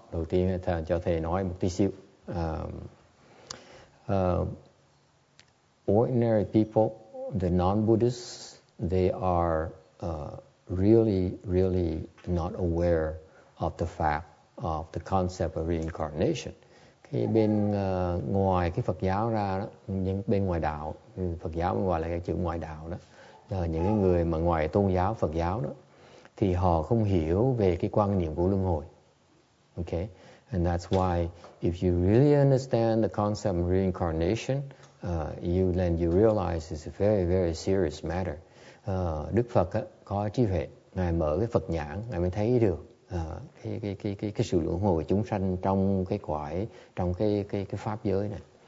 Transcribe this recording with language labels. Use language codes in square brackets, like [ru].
[vi] Đầu tiên thầy cho thầy nói một tí xíu. [en] Ordinary people, the non-Buddhists, they are really, really not aware of the fact of the concept of reincarnation. [vi] Cái bên ngoài cái Phật giáo ra đó, những bên ngoài đạo, Phật giáo gọi là cái chữ ngoài đạo đó, là những cái người mà ngoài tôn giáo Phật giáo đó, thì họ không hiểu về cái quan niệm của luân hồi. [en] Okay, and that's why if you really understand the concept of reincarnation, you realize it's a very, very serious matter. [vi] Đức Phật á, có trí huệ, ngài mở cái Phật nhãn, ngài mới thấy được cái sự luân hồi chúng sanh trong cái cõi, trong cái pháp giới này.